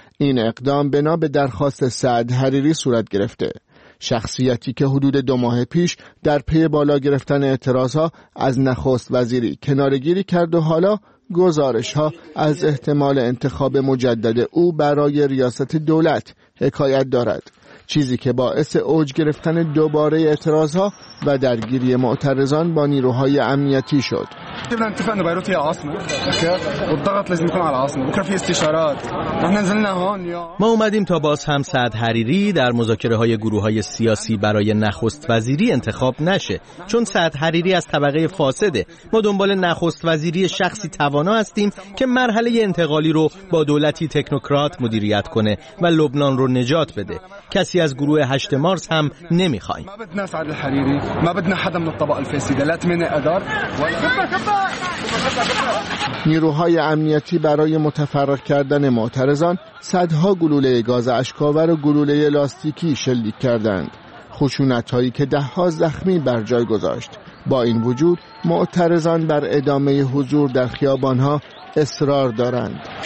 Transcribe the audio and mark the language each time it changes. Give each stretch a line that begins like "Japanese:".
Persian: این اقدام بنا به درخواست سعد حریری صورت گرفته، شخصیتی که حدود دو ماه پیش در پی بالا گرفتن اعتراض‌ها از نخست وزیری کنارگیری کرد و حالا گزارش‌ها از احتمال انتخاب مجدد او برای ریاست دولت حکایت دارد، چیزی که باعث اوج گرفتن دوباره اعتراض‌ها و درگیری معترضان با نیروهای امنیتی شد.
Arabic: قبلا اتفاقا بیروت یا عاصمه، الضغط لازم يكون على عاصمه، بكره في استشارات، احنا نزلنا هون
Persian: ما اومدیم تا باز هم سعد حریری در مذاکره‌های گروه‌های سیاسی برای نخست وزیری انتخاب نشه، چون سعد حریری از طبقه فاسده. ما دنبال نخست وزیری شخصی توانا هستیم که مرحله انتقالی رو با دولتی تکنوکرات مدیریت کنه و لبنان رو نجات بده. کسی از گروه 8 مارس هم نمیخوایم.
Arabic: ما بدنا سعد الحريري، ما بدنا حدا من الطبقه الفاسده، لا تمنى ادار.
Persian: نیروهای امنیتی برای متفرق کردن معترضان صدها گلوله گاز اشکاور و گلوله لاستیکی شلیک کردند، خشونت‌هایی که ده‌ها زخمی بر جای گذاشت. با این وجود معترضان بر ادامه حضور در خیابان‌ها اصرار دارند.